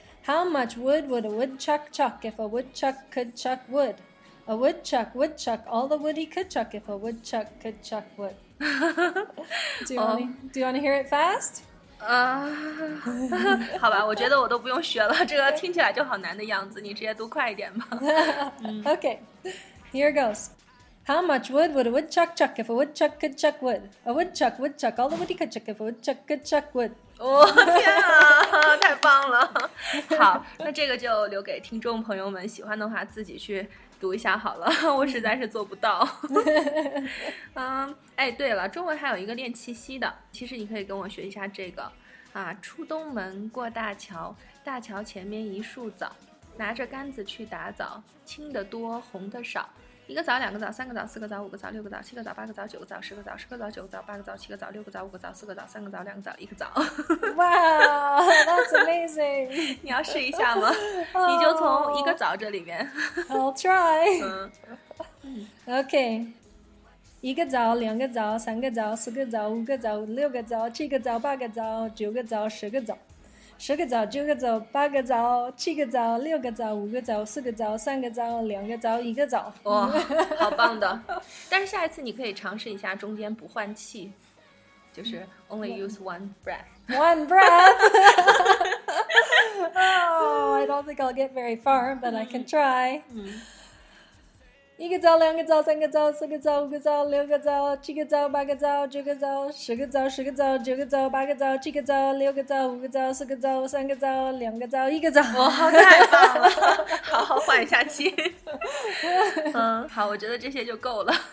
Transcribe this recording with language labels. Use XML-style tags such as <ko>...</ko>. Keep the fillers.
<en>How much wood would a woodchuck chuck if a woodchuck could chuck wood? A woodchuck woodchuck all the wood he could chuck if a woodchuck could chuck wood. do you oh. want to you hear it fast?</en> <zh>啊， uh, 好吧，我觉得我都不用学了，这个听起来就好难的样子。你直接读快一点吧。</zh> <en>OK，here、okay, goes. How much wood would a woodchuck chuck if a woodchuck could chuck wood? A woodchuck woodchuck, all the wood he could chuck if a woodchuck could chuck wood.</en> <zh>我天啊，太棒了！好，那这个就留给听众朋友们，喜欢的话自己去读一下好了，我实在是做不到。嗯，哎，对了，中文还有一个练气息的，其实你可以跟我学一下这个啊。出东门，过大桥，大桥前面一树枣，拿着杆子去打枣，青的多，红的少。一个枣，两个枣，三个枣，四个枣，五个枣，六个枣，七个枣，八个枣，九个枣，十个枣，十个枣，九个枣，八个枣，七个枣，六个枣，五个枣，四个枣，三个枣，两个枣，一个枣。</zh> <en>哇，That's amazing！</en> <zh>你要试一下吗？你就从一个枣这里面。</zh> <en>I'll try.</en> <zh>o k 一个枣，两个枣，三个枣，四个枣，五个枣，六个枣，七个枣，八个枣，九个枣，十个枣。十个枣，九个枣，八个枣，七个枣，六个枣，五个枣，四个枣，三个枣，两个枣，一个枣。哇，好棒的！但是下一次你可以尝试一下中间不换气，就是</zh> <en>only use one breath. One breath. Oh, I don't think I'll get very far, but I can try.</en> <zh>一个枣，两个枣，三个枣，四个枣，五个枣，六个枣，七个枣，八个枣，九个枣，十个枣，十个枣，九个枣，八个枣，七个枣，六个枣，五个枣，四个枣，三个枣，两个枣，一个枣。我好棒了，好好缓一下气。嗯，好，我觉得这些就够了。</zh>